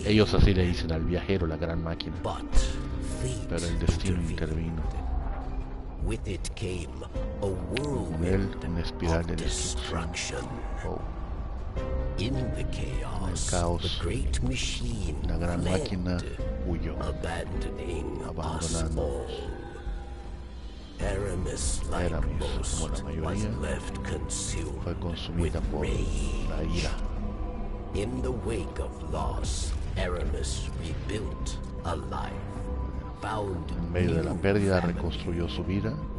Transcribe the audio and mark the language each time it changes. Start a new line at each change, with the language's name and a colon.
Spanish: Ellos así le dicen al viajero, la gran máquina. Pero el destino intervino.
English: With it came a whirlwind of destruction. In the chaos, the great machine fled, abandoning us all. Aramis, like most, was left consumed with rage. In the wake of loss, Aramis rebuilt a life.
Spanish: En medio de la pérdida reconstruyó su vida.